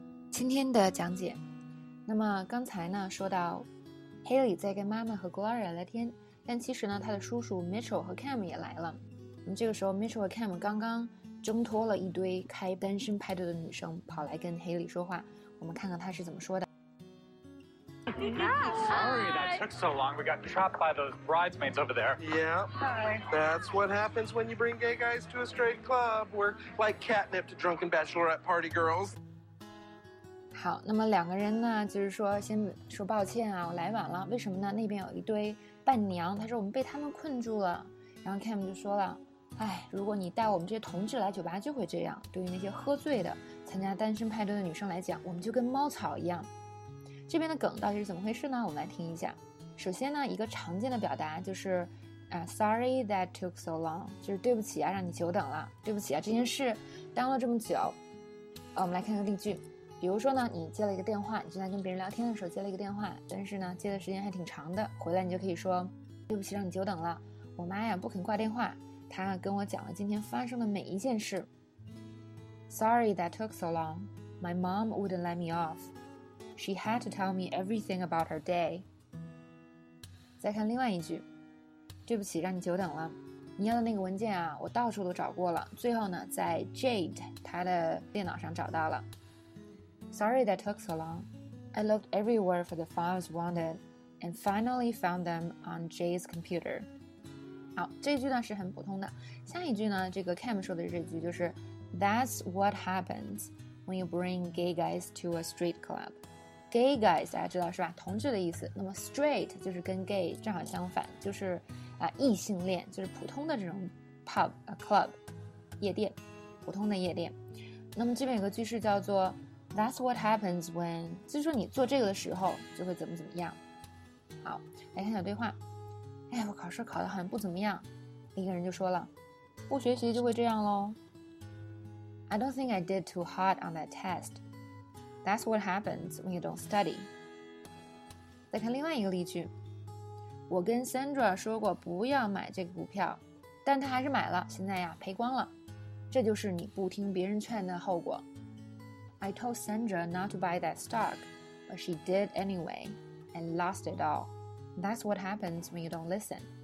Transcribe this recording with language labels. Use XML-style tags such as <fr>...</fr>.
<zh>今天的讲解，那么刚才呢，说到 Haley 在跟妈妈和 Gloria 聊天，但其实呢，她的叔叔 Mitchell 和 Cam 也来了。这个时候 Mitchell 和 Cam 刚刚挣脱了一堆开单身派对的女生，跑来跟 Haley 说话，我们看看她是怎么说的。</zh> <en>Sorry that took so long, we got trapped by those bridesmaids over there. Yeah, that's what happens when you bring gay guys to a straight club. We're like catnip to drunken bachelorette party girls.</en> <zh>好，那么两个人呢，就是说先说抱歉啊，我来晚了，为什么呢？那边有一堆伴娘，她说我们被他们困住了。然后 Cam 就说了，哎，如果你带我们这些同志来酒吧就会这样，对于那些喝醉的参加单身派对的女生来讲，我们就跟猫草一样。这边的梗到底是怎么回事呢？我们来听一下。首先呢，一个常见的表达就是</zh> <en>sorry that took so long，</en> <zh>就是对不起啊，让你久等了，对不起啊，这件事耽误了这么久。我们来看一个例句。比如说呢，你接了一个电话，你正在跟别人聊天的时候接了一个电话，但是呢接的时间还挺长的，回来你就可以说，对不起让你久等了，我妈呀不肯挂电话，她跟我讲了今天发生的每一件事。</zh> <en>Sorry that took so long. My mom wouldn't let me off. She had to tell me everything about her day.</en> <zh>再看另外一句，对不起让你久等了，你要的那个文件啊，我到处都找过了，最后呢在 Jade 她的电脑上找到了。</zh> <en>Sorry that took so long. I looked everywhere for the files wanted and finally found them on Jade's computer.</en> <zh>好，这句呢是很普通的。下一句呢，这个 Cam 说的这句就是</zh> <en>That's what happens when you bring gay guys to a straight club.</en> <zh>Gay guys 大家知道是吧，同志的意思，那么 straight 就是跟 gay 正好相反，就是异性恋，就是普通的这种 pub club 夜店，普通的夜店。那么这边有个句式叫做</zh> <en>That's what happens when，</en> <zh>就是说你做这个的时候就会怎么怎么样。好，来看小对话。哎，我考试考得很不怎么样，一个人就说了，不学习就会这样咯。</zh> <en>I don't think I did too hot on that test. That's what happens when you don't study.</en> <zh>再看另外一个例句，我跟 Sandra 说过不要买这个股票，但她还是买了，现在呀赔光了，这就是你不听别人劝的后果。</zh> <en>I told Sandra not to buy that stock, but she did anyway and lost it all. That's what happens when you don't listen.</en>